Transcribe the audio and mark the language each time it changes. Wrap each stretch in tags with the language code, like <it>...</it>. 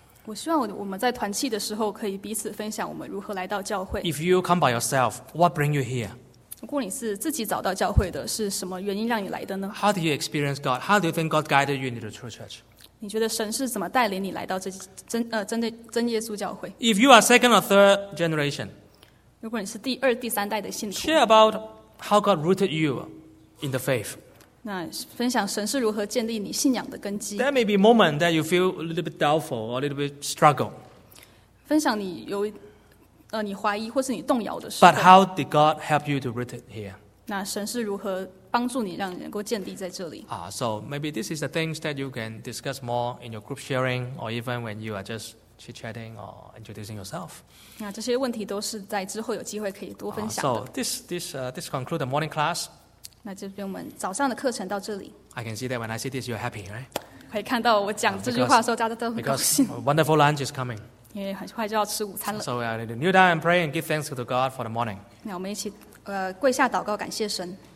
<zh>我希望我们在团契的时候可以彼此分享我们如何来到教会。</zh> <en>If you come by yourself, what bring you here?</en> <zh>如果你是自己找到教会的，是什么原因让你来的呢？</zh> <en>How do you experience God? How do you think God guided you into the true church?</en> <zh>你觉得神是怎么带领你来到真耶稣教会？</zh> <en>If you are second or third generation,</en> <zh>如果你是第二、第三代的信徒，</zh> <en>share about how God rooted you in the faith.</en> <zh>那分享神是如何建立你信仰的根基。</zh> <en>There may be a moment that you feel a little bit doubtful or a little bit struggle.</en> <zh>分享你有你怀疑或是你动摇的时候。</zh> <en>But how did God help you to root it here?</en> <zh>那神是如何帮助你让你能够建立在这里？</zh> <en>So maybe this is the things that you can discuss more in your group sharing, or even when you are just chit-chatting or introducing yourself.</en> <zh>那这些问题都是在之后有机会可以多分享的。</zh> <en>So this conclude the morning class.</en> <zh>那这边我们早上的课程到这里。</zh> <en>I can see that when I see this, you're happy, right?</en> <zh>可以看到我讲这句话的时候，大家都很高兴。</zh> <en>Because wonderful lunch is coming.</en> <zh>因为很快就要吃午餐了。</zh> <en>So we are kneel down and pray and give thanks to God for the morning.</en> <zh>那我们一起跪下祷告，感谢神。</zh>